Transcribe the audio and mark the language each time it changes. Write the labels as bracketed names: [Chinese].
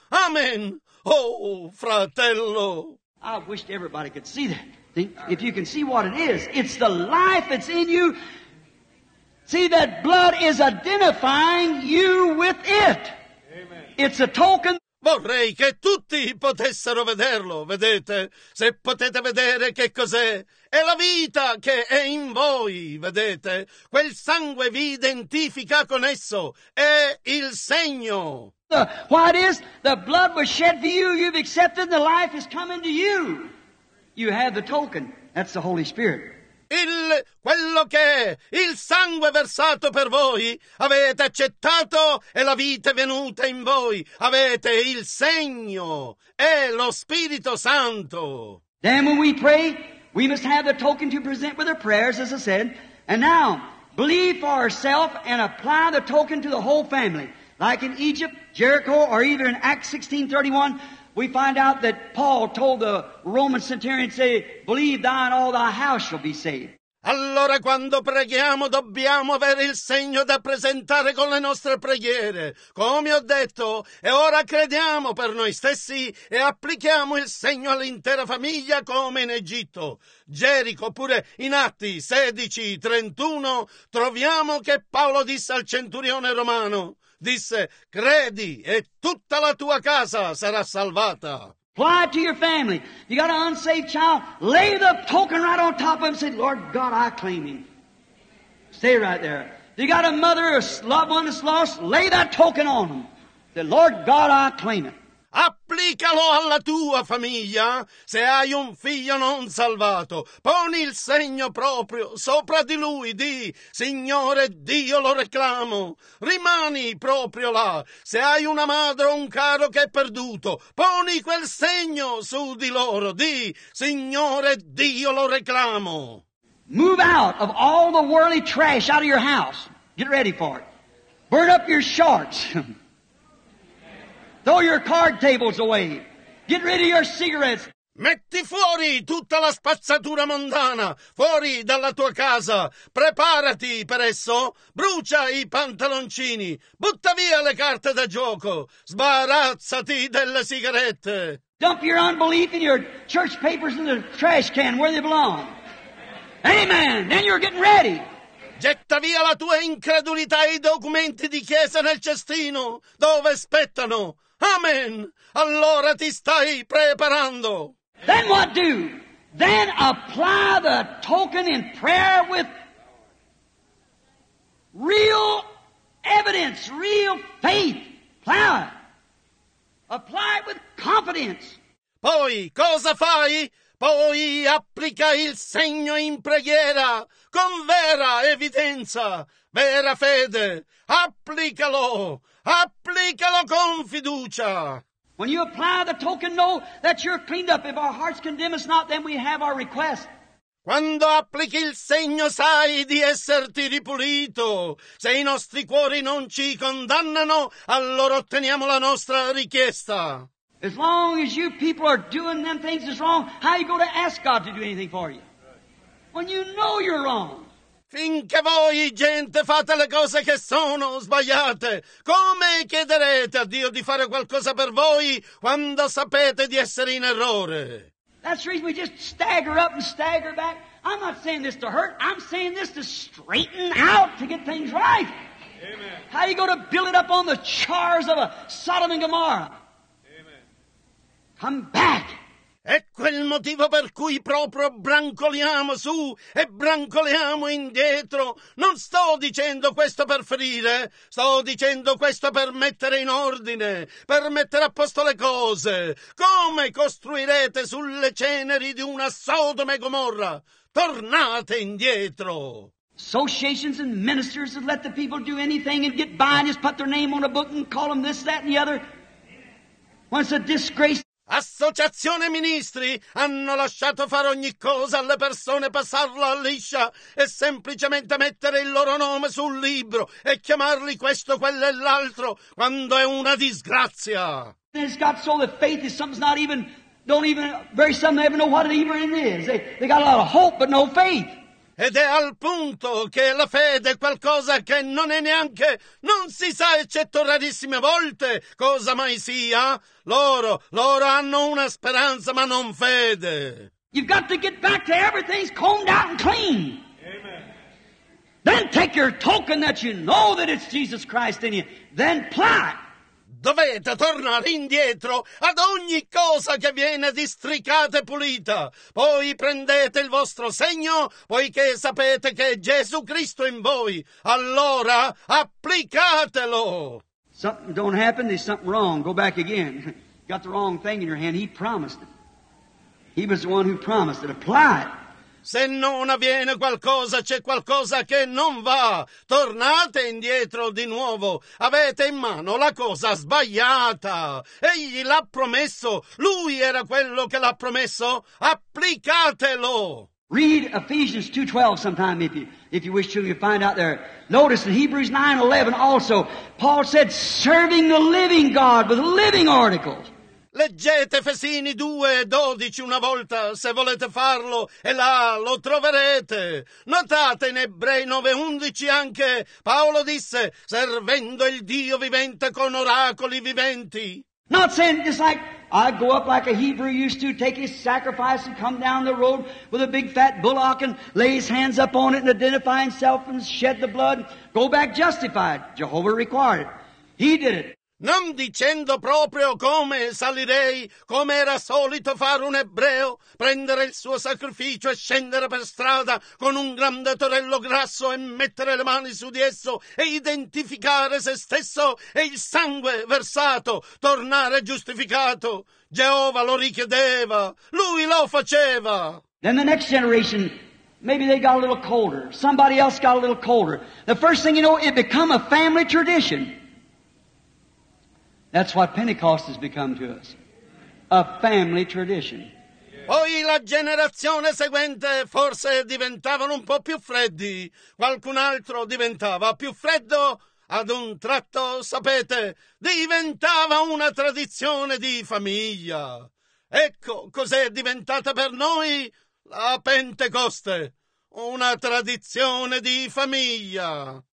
[Italian] Amen. Oh, fratello. [English] I wish everybody could see that. If you can see what it is, it's the life that's in you See, that blood is identifying you with it. Amen. It's a token. [Italian] Vorrei che tutti potessero vederlo, vedete? Se potete vedere che cos'è, è la vita che è in voi, vedete? Quel sangue vi identifica con esso, è il segno. [English] What is? The blood was shed for you, you've accepted, the life is coming to you. You have the token, that's the Holy Spirit. [Italian] Quello che è il sangue versato per voi, avete accettato e la vita è venuta in voi, avete il segno, è lo Spirito Santo. [English] Then when we pray, we must have the token to present with our prayers, as I said. And now, believe for ourself and apply the token to the whole family. Like in Egypt, Jericho, or even in Acts 16:31, we find out that Paul told the Roman centurion, say, believe thou and all thy house shall be saved. [Italian] Allora quando preghiamo dobbiamo avere il segno da presentare con le nostre preghiere. Come ho detto, e ora crediamo per noi stessi e applichiamo il segno all'intera famiglia come in Egitto. Gerico, oppure in Atti 16:31, troviamo che Paolo disse al centurione romano, disse, credi e tutta la tua casa sarà salvata. [English] Apply it to your family. You got an unsaved child, lay the token right on top of him and say, Lord God, I claim him. Stay right there. You got a mother or loved one that's lost, lay that token on him. Say, Lord God, I claim it. [Italian] Applicalo alla tua famiglia. Se hai un figlio non salvato, poni il segno proprio sopra di lui. Di, Signore Dio, lo reclamo. Rimani proprio là. Se hai una madre o un caro che è perduto, poni quel segno su di loro. Di, Signore Dio, lo reclamo. [English] Move out of all the worldly trash out of your house. Get ready for it. Burn up your shorts. Throw your card tables away. Get rid of your cigarettes. [Italian] Metti fuori tutta la spazzatura mondana, fuori dalla tua casa. Preparati per esso. Brucia i pantaloncini. Butta via le carte da gioco. Sbarazzati delle sigarette. [English] Dump your unbelief and your church papers in the trash can where they belong. Amen. Then you're getting ready. [Italian] Getta via la tua incredulità e i documenti di chiesa nel cestino dove spettano. Amen. Allora ti stai preparando. [English] Then what do? Then apply the token in prayer with real evidence, real faith. Apply it. Apply it with confidence. [Italian] Poi cosa fai? Poi applica il segno in preghiera con vera evidenza, vera fede. Applicalo. Applicalo con fiducia. [English] When you apply the token, know that you're cleaned up. If our hearts condemn us not, then we have our request. [Italian] Quando applichi il segno, sai di esserti ripulito. Se i nostri cuori non ci condannano, allora otteniamo la nostra richiesta. [English] As long as you people are doing them things that's wrong, how are you going to ask God to do anything for you? When you know you're wrong. [Italian] Finché voi, gente, fate le cose che sono sbagliate, come chiederete a Dio di fare qualcosa per voi quando sapete di essere in errore? [English] That's the reason we just stagger up and stagger back. I'm not saying this to hurt, I'm saying this to straighten out to get things right. Amen. How are you going to build it up on the chars of a Sodom and Gomorrah? Amen. Come back! [Italian] Ecco il motivo per cui proprio brancoliamo su e brancoliamo indietro. Non sto dicendo questo per ferire, sto dicendo questo per mettere in ordine, per mettere a posto le cose. Come costruirete sulle ceneri di una Sodoma e Gomorra? Tornate indietro! [English] Associations and ministers that let the people do anything and get by and just put their name on a book and call them this, that and the other. Once a disgrace. [Italian] Associazione ministri hanno lasciato fare ogni cosa alle persone, passarla liscia e semplicemente mettere il loro nome sul libro e chiamarli questo, quello e l'altro, quando è una disgrazia. [English] It's got so the faith is something's not even, don't even, very some don't even know what it even is. They got a lot of hope but no faith. [Italian] Ed è al punto che la fede è qualcosa che non è neanche, non si sa eccetto rarissime volte cosa mai sia. Loro hanno una speranza ma non fede. [English] You've got to get back to everything's combed out and clean. Amen. Then take your token that you know that it's Jesus Christ in you. Then plant. [Italian] Dovete tornare indietro ad ogni cosa che viene districata e pulita. Poi prendete il vostro segno, poiché sapete che è Gesù Cristo in voi. Allora applicatelo. [English] Something don't happen, there's something wrong. Go back again. Got the wrong thing in your hand. He promised it. He was the one who promised it. Apply it. [Italian] Se non avviene qualcosa, c'è qualcosa che non va. Tornate indietro di nuovo. Avete in mano la cosa sbagliata. Egli l'ha promesso. Lui era quello che l'ha promesso. Applicatelo. [English] Read Ephesians 2:12 sometime if you wish to find out there. Notice in Hebrews 9:11 also, Paul said, serving the living God with living articles. [Italian] Leggete Efesini 2:12 una volta, se volete farlo, e là lo troverete. Notate in Ebrei 9:11 anche, Paolo disse, servendo il Dio vivente con oracoli viventi. [English] Not saying just like I go up like a Hebrew used to, take his sacrifice and come down the road with a big fat bullock and lay his hands up on it and identify himself and shed the blood, go back justified. Jehovah required it. He did it. [Italian] Non dicendo proprio come salirei, come era solito fare un ebreo, prendere il suo sacrificio e scendere per strada con un grande torello grasso e mettere le mani su di esso e identificare se stesso e il sangue versato, tornare giustificato. Geova lo richiedeva, lui lo faceva. [English] Then the next generation, maybe they got a little colder, somebody else got a little colder. The first thing you know, it become a family tradition. That's what Pentecost has become to us, a family tradition. [Italian] Poi la generazione seguente forse diventavano un po' più freddi, qualcun altro diventava più freddo, ad un tratto, sapete, diventava una tradizione di famiglia. Ecco cos'è diventata per noi la Pentecoste, una tradizione di famiglia.